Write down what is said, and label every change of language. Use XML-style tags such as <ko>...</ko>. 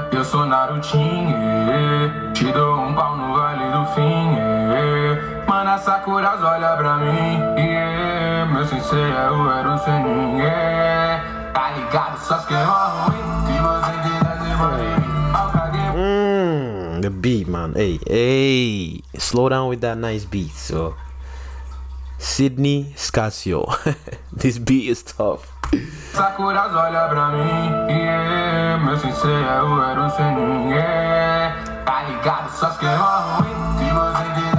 <pt>Eu sou Narutin, te dou pau no vale do fim, mana Sakura olha pra mim, meu sensei é o Eru Senin, tá ligado, só que é ruim, você</pt> <en>the beat, man. Hey, hey, slow down with that nice beat. So Sidney Scaccio, this beat is tough.</en> <pt>Sakura olha pra mim, meu sensei é o Eru Senin, tá ligado, só que é ruim.</pt>